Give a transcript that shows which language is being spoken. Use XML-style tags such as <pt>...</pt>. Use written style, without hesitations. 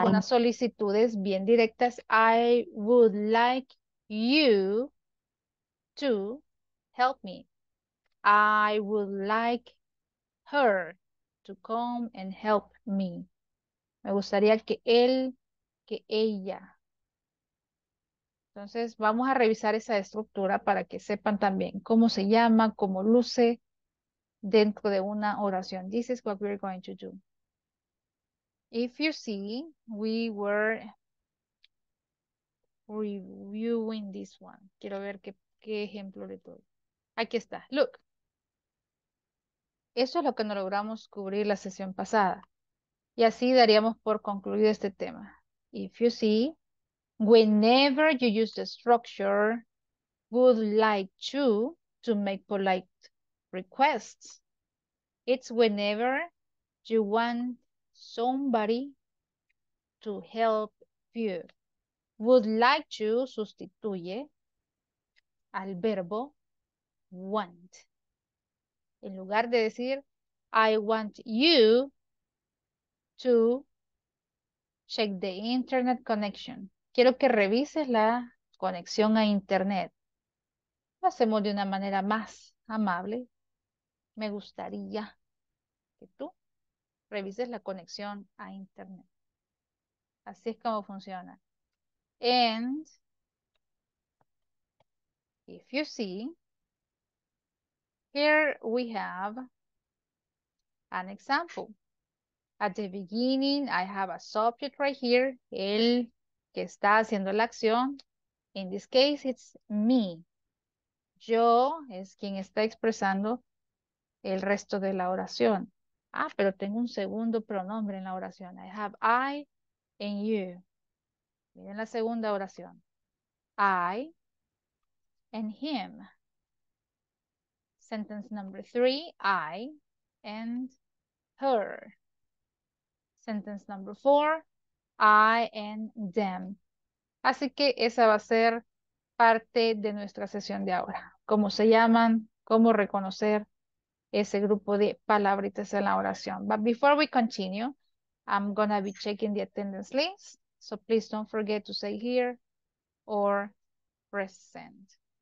<es>algunas solicitudes bien directas.</es> <en>I would like you to help me. I would like her to come and help me.</en> <es>Me gustaría que él, que ella. Entonces, vamos a revisar esa estructura para que sepan también cómo se llama, cómo luce dentro de una oración.</es> <en>This is what we're going to do. If you see, we were reviewing this one.</en> <es>Quiero ver qué ejemplo le doy. Aquí está.</es> <en>Look.</en> <es>Eso es lo que no logramos cubrir la sesión pasada. Y así daríamos por concluido este tema.</es> <en>If you see, whenever you use the structure would like to make polite requests, it's whenever you want somebody to help you.</en> <es>Would like to sustituye al verbo want. En lugar de decir,</es> <en>I want you to check the internet connection.</en> <es>Quiero que revises la conexión a internet. Lo hacemos de una manera más amable. Me gustaría que tú revises la conexión a internet. Así es como funciona.</es> <en>And if you see, here we have an example. At the beginning, I have a subject right here, el</en> <es>que está haciendo la acción.</es> <en>In this case, it's me.</en> <es>Yo es quien está expresando el resto de la oración. Ah, pero tengo un segundo pronombre en la oración.</es> <en>I have I and you.</en> <es>Miren la segunda oración.</es> <en>I and him. Sentence number three, I and her. Sentence number four, I and them.</en> <es>Así que esa va a ser parte de nuestra sesión de ahora. ¿Cómo se llaman? ¿Cómo reconocer ese grupo de palabritas en la oración?</es> <en>But before we continue, I'm going to be checking the attendance list. So please don't forget to say here or present.</en>